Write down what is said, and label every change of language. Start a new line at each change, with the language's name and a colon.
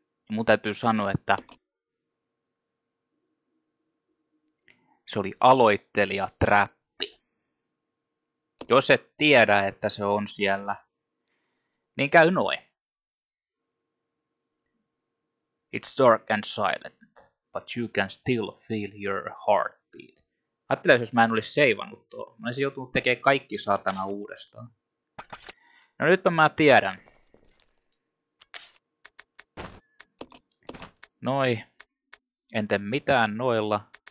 Finnish: Mun täytyy sanoa, että... Se oli aloittelijatrappi. Jos et tiedä, että se on siellä, niin käy noin.
English: It's dark and silent, but you can still feel your heartbeat.
Finnish: Ajattelin, jos mä en olisi seivannut tuo. Mä olisin joutunut tekemään kaikki saatana uudestaan. No nyt mä tiedän. Noi. En tee mitään noilla.